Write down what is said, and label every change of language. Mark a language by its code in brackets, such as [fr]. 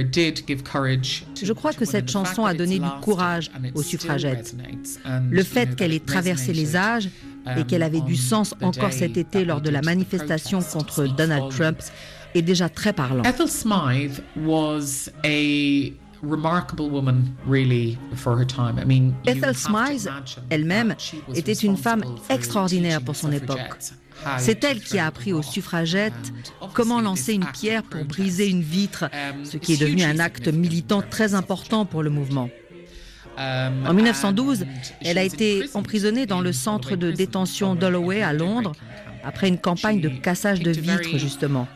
[fr] Je crois que cette chanson a donné du courage aux suffragettes. Le fait qu'elle ait traversé les âges et qu'elle avait du sens encore cet été lors de la manifestation contre Donald Trump est déjà très parlant. [en] Ethel Smyth was a remarkable woman, really, for her time. I mean, [fr] Ethel Smyth, elle-même, était une femme extraordinaire pour son époque. C'est elle qui a appris aux suffragettes comment lancer une pierre pour briser une vitre, ce qui est devenu un acte militant très important pour le mouvement. En 1912, elle a été emprisonnée dans le centre de détention d'Holloway à Londres, après une campagne de cassage de vitres, justement.